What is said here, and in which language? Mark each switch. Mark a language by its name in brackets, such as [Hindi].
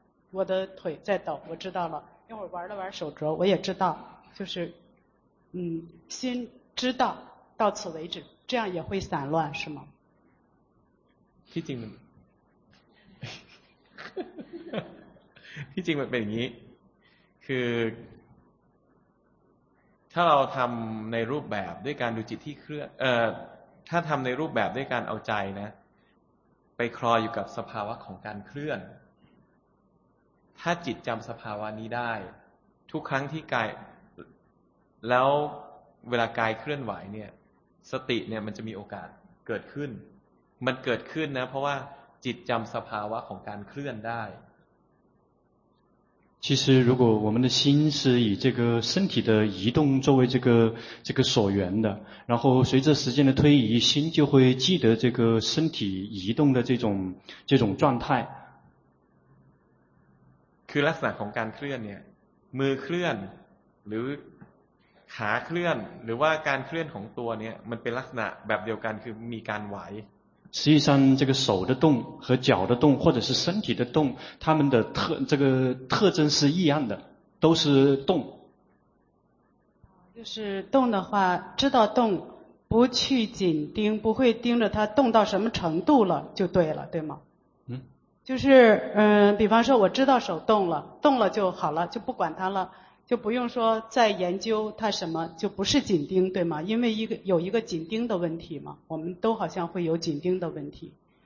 [Chinese] 我的腿在抖，我知道了。一会儿玩了玩手镯，我也知道，就是心知道到此为止，这样也会散乱是吗？ [Thai] ที่จริงที่จริงเป็นอย่างนี้คือถ้าเราทำในรูปแบบด้วยการดูจิตที่เคลื่อนถ้าทำในรูปแบบด้วยการเอาใจนะไปคลออยู่กับสภาวะของการเคลื่อน ถ้าจิตจำสภาวะนี้ได้ทุกครั้งที่กายแล้วเวลากายเคลื่อนไหวเนี่ยสติเนี่ยมันจะมีโอกาสเกิดขึ้นมันเกิดขึ้นนะเพราะว่าจิตจำสภาวะของการเคลื่อนได้ [Chinese] 其实如果我们的心是以这个身体的移动作为这个所缘的，然后随着时间的推移，心就会记得这个身体移动的这种状态。 [Thai] คือลักษณะของการเคลื่อนเนี่ยมือเคลื่อนหรือขาเคลื่อนหรือว่าการเคลื่อนของตัวเนี่ยมันเป็นลักษณะแบบเดียวกันคือมีการไหว [Chinese] 实际上这个手的动和脚的动或者是身体的动它们的特征是一样的都是动就是动的话知道动不去紧盯不会盯着它动到什么程度了就对了对吗就是比方说我知道手动了动了就好了就不管它了就不用说再研究它什么就不是紧盯对吗因为有一个紧盯的问题嘛我们都好像会有紧盯的问题